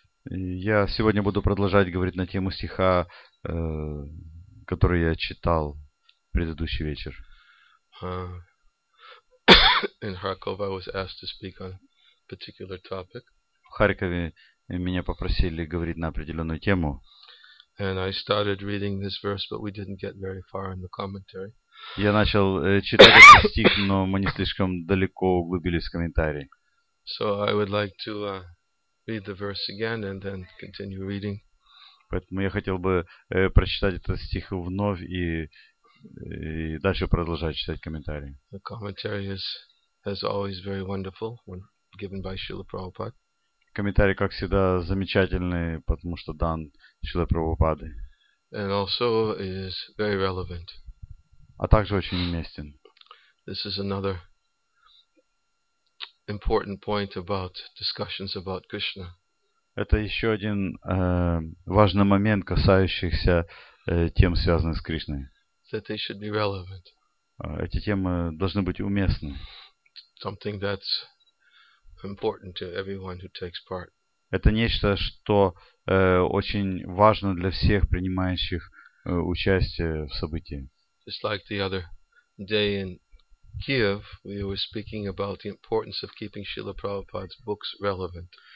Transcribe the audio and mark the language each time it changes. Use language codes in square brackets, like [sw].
[ru] Я сегодня буду продолжать говорить на тему стиха, который я читал предыдущий вечер. [en] In Kharkov, I was asked to speak on a particular topic. [ru] В Харькове меня попросили говорить на определенную тему. [en] And I started reading this verse, but we didn't get very far in the commentary. [ru] Я начал читать этот стих, но мы не слишком далеко углубились в комментарии. [en] So I would like to read the verse again and then continue reading. [ru] Поэтому я хотел бы прочитать этот стих вновь и дальше продолжать читать комментарии. [en] The commentary is always very wonderful when given by Śrīla Prabhupāda. [ru] Комментарий, как всегда, замечательный, потому что дан Шрила Прабхупады. [en] And also is very relevant. [ru] а также очень уместен. [en] This is another important point about discussions about Krishna. [ru] Это еще один важный момент, касающийся тем, связанных с Кришной. [en] That they should be relevant. [ru] Эти темы должны быть уместны. [en] Something that's important to everyone who takes part. [ru] Это нечто, что очень важно для всех принимающих участие в событии. [en] Just like the other day in Kiev, we were speaking about the importance of keeping Srila Prabhupada's books relevant.